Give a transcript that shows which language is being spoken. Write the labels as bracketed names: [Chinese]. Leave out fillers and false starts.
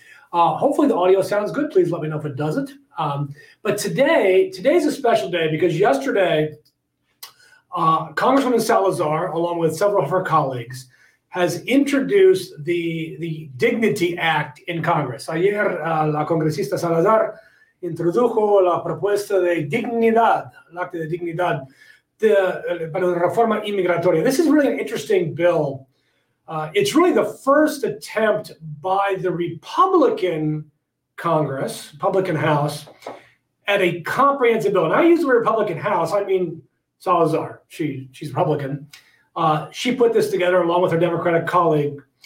[English] Hopefully the audio sounds good. Please let me know if it doesn't. But today's a special day because yesterday, Congresswoman Salazar, along with several of her colleagues, has introduced the Dignity Act in Congress. [Spanish] Ayer, la congresista Salazar introdujo la propuesta de dignidad, el acto de dignidad, para la reforma inmigratoria. [English] This is really an interesting bill. It's really the first attempt by the Republican Congress, Republican House, at a comprehensive bill. And I use the word Republican House, I mean Salazar. She's Republican. She put this together along with her Democratic colleague.